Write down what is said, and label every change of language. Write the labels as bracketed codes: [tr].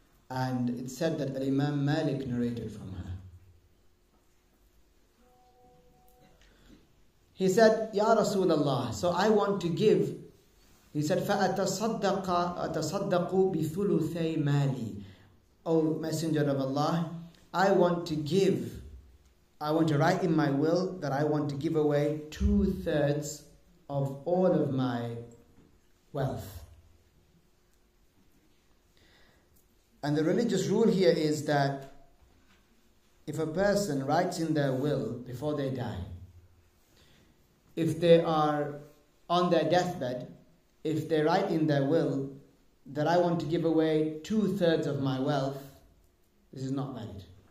[en] And it said that Imam Malik narrated from her. He said, Ya Rasulullah, so I want to give. He said, [ar] فَأَتَصَدَّقُ بِثُلُثَي مَالِي. [en] O Messenger of Allah, I want to give. I want to write in my will that I want to give away 2/3 of all of my wealth. And the religious rule here is that if a person writes in their will before they die, if they are on their deathbed, if they write in their will that I want to give away 2/3 of my wealth, this is not valid.